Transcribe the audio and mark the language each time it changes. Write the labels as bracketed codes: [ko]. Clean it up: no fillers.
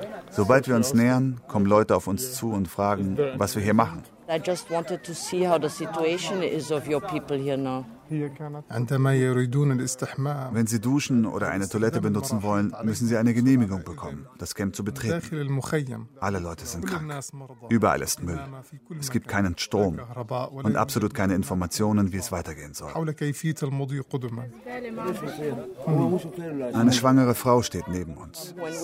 [de] Sobald wir uns nähern, kommen Leute auf uns zu und fragen, was wir hier machen. [en] I just wanted to see how the situation is of your people here now. [de] Wenn sie duschen oder eine Toilette benutzen wollen, müssen sie eine Genehmigung bekommen, das Camp zu betreten. Alle Leute sind krank. Überall ist Müll. Es gibt keinen Strom und absolut keine Informationen, wie es weitergehen soll. Eine schwangere Frau steht neben uns.